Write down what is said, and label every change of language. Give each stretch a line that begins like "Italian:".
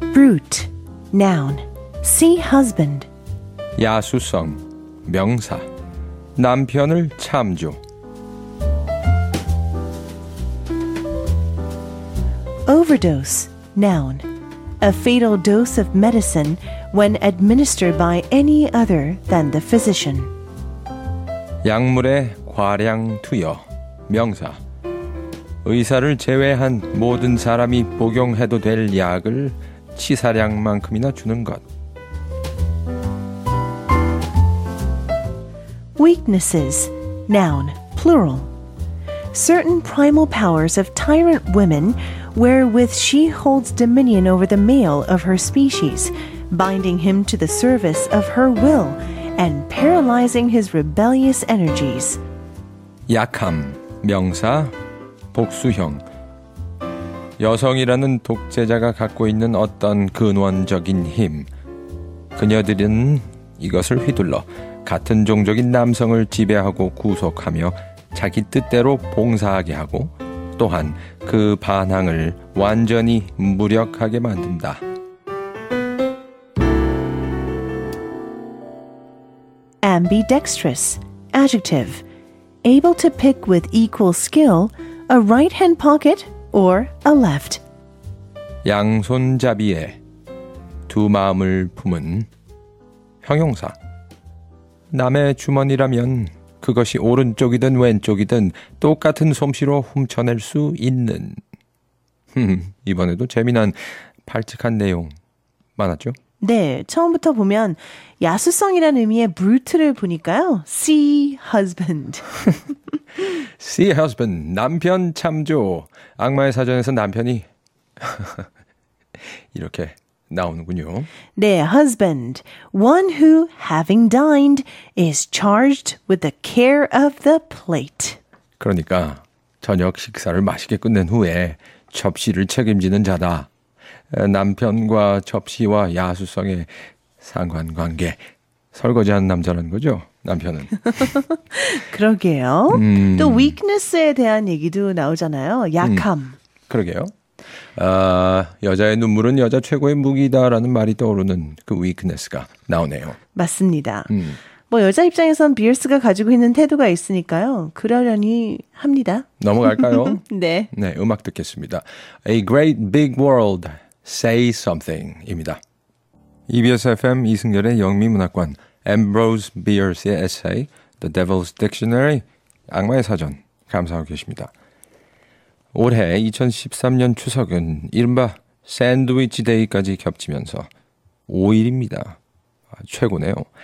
English: 루트, noun, see husband.
Korean: 야수성, 명사, 남편을 참조.
English: Overdose, noun, a fatal dose of medicine when administered by any other than the physician.
Korean: 약물의 과량 투여, 명사, 의사를 제외한 모든 사람이 복용해도 될 약을 치사량만큼이나 주는 것.
English: Weaknesses, noun, plural. Certain primal powers of tyrant women wherewith she holds dominion over the male of her species, binding him to the service of her will and paralyzing his rebellious energies.
Korean: 약함, 명사, 복수형. 여성이라는 독재자가 갖고 있는 어떤 근원적인 힘. 그녀들은 이것을 휘둘러 같은 종족인 남성을 지배하고 구속하며 자기 뜻대로 봉사하게 하고 또한 그 반항을 완전히 무력하게 만든다.
English: 암비덱스트러스, adjective. Able to pick with equal skill a right-hand pocket or a left.
Korean: 양손잡이에 두 마음을 품은 형용사. 남의 주머니라면 그것이 오른쪽이든 왼쪽이든 똑같은 솜씨로 훔쳐낼 수 있는. 이번에도 재미난 발칙한 내용 많았죠? 네, 처음부터 보면 야수성이라는 의미의 brute를 보니까요.
English: Sea husband. Sea husband,
Korean: 남편 참조. 악마의 사전에서 남편이 이렇게 나오는군요.
English: 네, husband, one who, having dined, is charged with the care of the plate.
Korean: 그러니까 저녁 식사를 맛있게 끝낸 후에 접시를 책임지는 자다. 남편과 접시와 야수성의 상관관계, 설거지하는 남자라는 거죠, 남편은. 그러게요. 또 weakness에 대한 얘기도 나오잖아요. 약함. 그러게요. 아, 여자의 눈물은 여자 최고의 무기다라는 말이 떠오르는 그 weakness가 나오네요. 맞습니다. 뭐 여자 입장에선 비어스가 가지고 있는 태도가 있으니까요. 그러려니 합니다. 넘어갈까요? 네. 네, 음악 듣겠습니다. A Great Big World, Say Something입니다. EBS FM 이승열의 영미문학관, Ambrose Bierce의 에세이, The Devil's Dictionary, 악마의 사전, 감사하고 계십니다. 올해 2013년 추석은 이른바 샌드위치 데이까지 겹치면서 5일입니다. 최고네요.